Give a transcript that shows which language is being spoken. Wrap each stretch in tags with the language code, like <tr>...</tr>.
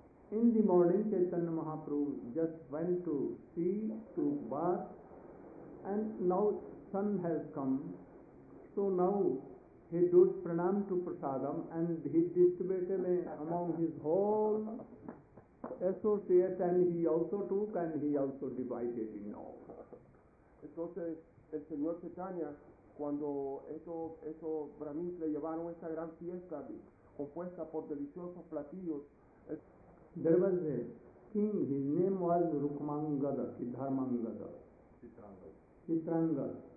<en>In the morning, Chaitanya Mahaprabhu just went to see, to bath, and now sun has come, so now he did pranam to prasadam and he distributed among his whole associates and he also took and he also divided in all.</en> <es>Entonces, el señor Chaitanya, cuando estos brahmins le llevaron esta gran fiesta, compuesta por deliciosos platillos.</es> <en>There was a king, his name was Rukmangada, Siddharmangada. Chitrangada.</en>